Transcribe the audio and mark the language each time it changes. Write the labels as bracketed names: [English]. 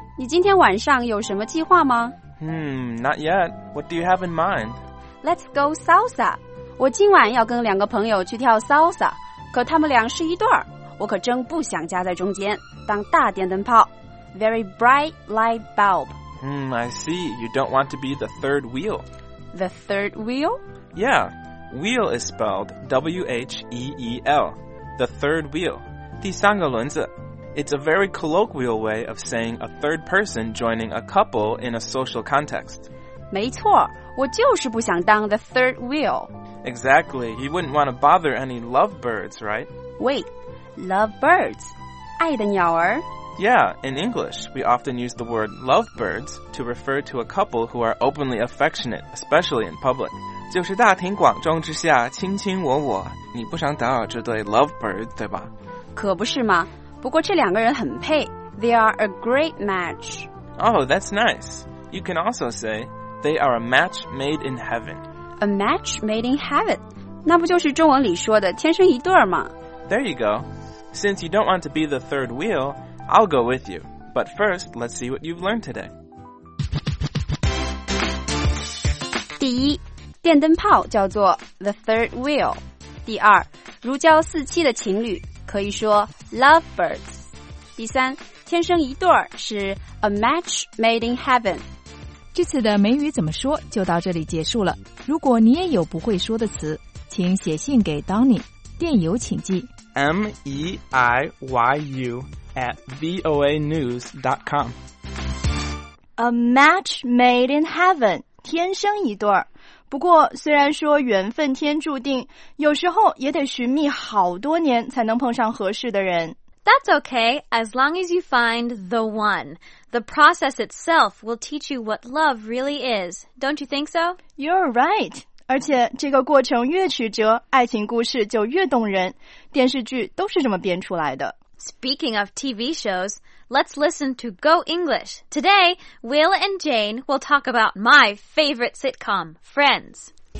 [Chinese] 你今天晚上有什么计划吗？ [English] Not yet. What do you have in mind? Let's go salsa. [Chinese] 我今晚要跟两个朋友去跳 salsa， 可他们俩是一对儿，我可真不想夹在中间当大电灯泡。 [English] Very bright light bulb. I see. You don't want to be the third wheel. The third wheel? Yeah. Wheel is spelled W-H-E-E-L. The third wheel. [Chinese] 第三个轮子。 [English] It's a very colloquial way of saying a third person joining a couple in a social context. [Chinese] 没错，我就是不想当 the third wheel. [English] Exactly. You wouldn't want to bother any lovebirds, right? Wait, lovebirds? [Chinese] 爱的鸟儿? [English] Yeah, in English, we often use the word lovebirds to refer to a couple who are openly affectionate, especially in public. [Chinese] 就是大庭广众之下卿卿我我，你不想打扰这对 lovebirds 对吧？可不是吗？不过这两个人很配。 [English] They are a great match. Oh, that's nice. You can also say, they are a match made in heaven. A match made in heaven? [Chinese] 那不就是中文里说的天生一对吗？ [English] There you go. Since you don't want to be the third wheel, I'll go with you. But first, let's see what you've learned today. [Chinese] 第一，电灯泡叫做 the third wheel. 第二，如胶似漆的情侣可以说 lovebirds. 第三，天生一对是 a match made in heaven. 这次的美语怎么说就到这里结束了。如果你也有不会说的词，请写信给 Donnie， 电邮请寄 [English] meiyu@voanews.com. A match made in heaven， [Chinese] 天生一对。不过虽然说缘分天注定，有时候也得寻觅好多年才能碰上合适的人。 [English] That's okay, as long as you find the one. The process itself will teach you what love really is, don't you think so? You're right. [Chinese] 而且这个过程越曲折，爱情故事就越动人。电视剧都是这么编出来的。 [English] Speaking of TV shows, let's listen to Go English. Today, Will and Jane will talk about my favorite sitcom, Friends.